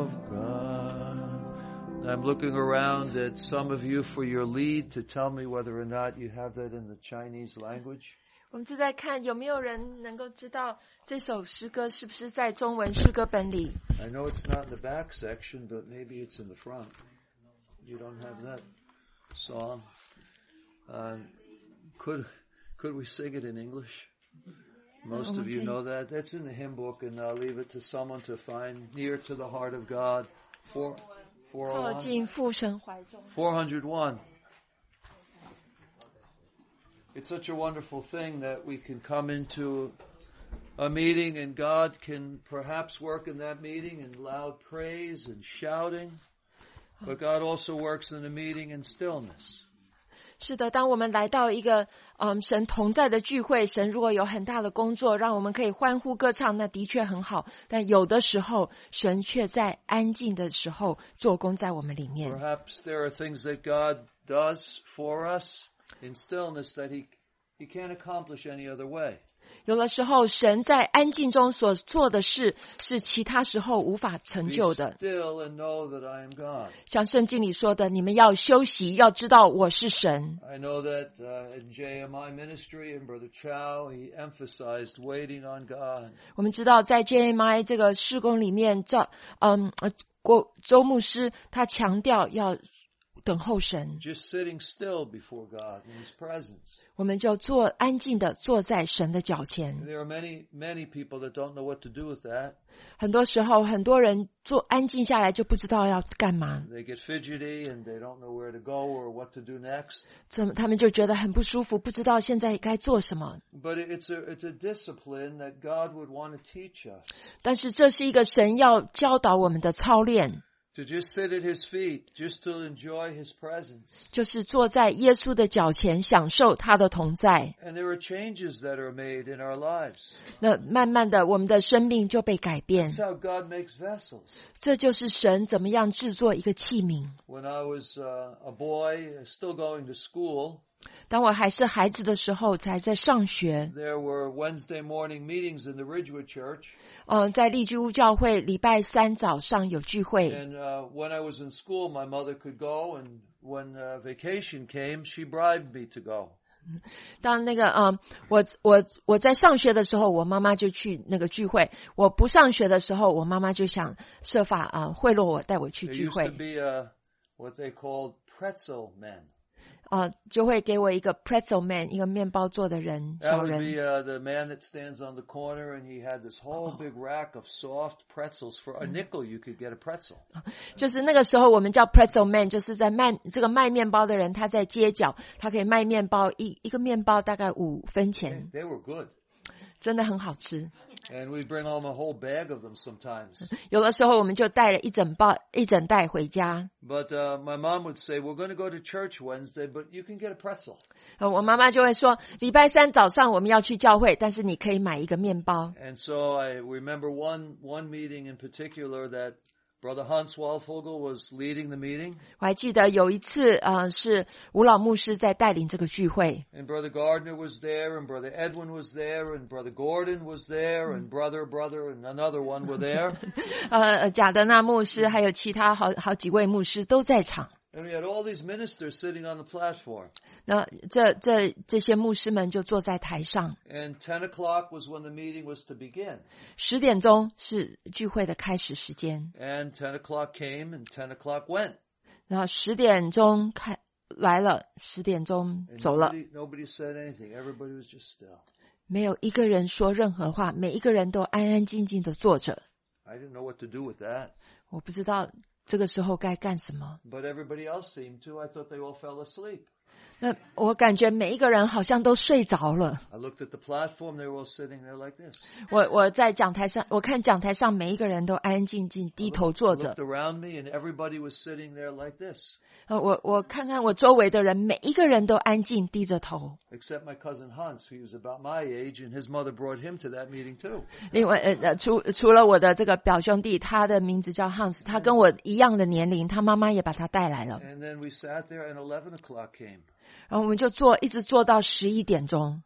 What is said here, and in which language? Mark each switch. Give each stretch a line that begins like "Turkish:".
English: I'm looking around at some of you for your lead to tell me whether or not you have that in the Chinese language.
Chinese: 我们正在看有没有人能够知道这首诗歌是不是在中文诗歌本里。
English: I know it's not in the back section, but maybe it's in the front. You don't have that song. Could we sing it in English? Most of you know that. That's in the hymn book, and I'll leave it to someone to find Near to the Heart of God. 401. It's such a wonderful thing that we can come into a meeting and God can perhaps work in that meeting in loud praise and shouting. But God also works in a meeting in stillness.
Chinese: 是的，当我们来到一个神同在的聚会，神如果有很大的工作，让我们可以欢呼歌唱，那的确很好。但有的时候，神却在安静的时候做工在我们里面。
English: Perhaps there are things that God does for us. In stillness, that he can't accomplish any other way.
Chinese: 有的时候，神在安静中所做的事是其他时候无法成就的。
English: Be still and know that I am God.
Chinese: 像圣经里说的，你们要休息，要知道我是神。
English: I know that in JMI ministry and Brother Chow, he emphasized waiting on God.
Chinese: 我们知道在 JMI 这个事工里面，周牧师他强调要。等候神
English: Just sitting still before God in His presence.
Chinese: 我们就坐安静的坐在神的脚前
English: There are many people that don't know what to do with that.
Chinese: 很多时候很多人坐安静下来就不知道要干嘛
English: They get fidgety and they don't know where to go or what to do next.
Chinese: 他们就觉得很不舒服不知道现在该做什么
English: But it's a discipline that God would want to teach us.
Chinese: 但是这是一个神要教导我们的操练
English: To just sit at his feet, just to enjoy his presence.
Chinese: 就是坐在耶稣的脚前享受他的同在。
English: And there are changes that are made in our lives.
Chinese: 那慢慢的我们的生命就被改变。
English: That's how God makes vessels.
Chinese: 这就是神怎么样制作一个器皿。
English: When I was a boy, still going to school,
Chinese: 当我还是孩子的时候才在上学。
English: There were Wednesday morning meetings in the Ridgewood Church.
Chinese: 在利居屋教会礼拜三早上有聚会。
English: And when I was in school, my mother could go, and when vacation came, she bribed me to go.
Chinese: 当那个我在上学的时候，我妈妈就去那个聚会；我不上学的时候，我妈妈就想设法贿赂我，带我去聚会。
English: There used to be what they called pretzel men.
Chinese: 就会给我一个 pretzel man, 一个面包做的人。
English: That would be the man that stands on the corner and he had this whole big rack of soft pretzels for a nickel you could get a pretzel.
Chinese: 就是那个时候我们叫 pretzel man, 就是在卖这个卖面包的人他在街角他可以卖面包一个面包大概五分钱。
English: They were good.
Chinese: 真的很好吃。
English: And we bring home a whole bag of them sometimes.
Chinese: 有的时候我们就带了一整袋回家。
English: But my mom would say, we're going to go to church Wednesday, but you can get a pretzel.
Chinese: 我妈妈就会说礼拜三早上我们要去教会但是你可以买一个面包。
English: And so I remember one meeting in particular that Brother Hans Walfogel was leading the meeting.
Chinese: 我还记得有一次是吴老牧师在带领这个聚会。
English: And Brother Gardner was there, and Brother Edwin was there, and Brother Gordon was there, and Brother, and another one were there.
Chinese: 贾德纳牧师还有其他好几位牧师都在场。
English: And we had all these ministers sitting on the platform.
Chinese: 那这些牧师们就坐在台上。
English: And 10 o'clock was when the meeting was to begin.
Chinese: 十点钟是聚会的开始时间。
English: And 10 o'clock came and 10 o'clock went.
Chinese: 然后十点钟来了，十点钟走了。
English: Nobody said anything. Everybody was just still.
Chinese: 没有一个人说任何话，每一个人都安安静静的坐着。
English: I didn't know what to do with that.
Chinese: 我不知道。这个时候该干什么
English: But everybody else seemed to. I thought they all fell asleep.
Chinese: 那我感觉每一个人好像都睡着了。
English: I looked at the platform. They were all sitting there like this.
Chinese: 我在讲台上，我看讲台上每一个人都安安静静低头坐着。
English: I looked around me, and everybody was sitting there like this.
Chinese: 我看看我周围的人，每一个人都安静低着头。
English: Except my cousin Hans, he was about my age, and his mother brought him to that meeting too.
Chinese: 另外，除了我的这个表兄弟，他的名字叫 Hans， 他跟我一样的年龄，他妈妈也把他带来了。
English: And then we sat there, and 11 o'clock came.
Chinese: 然后我们就坐，一直坐到11点钟。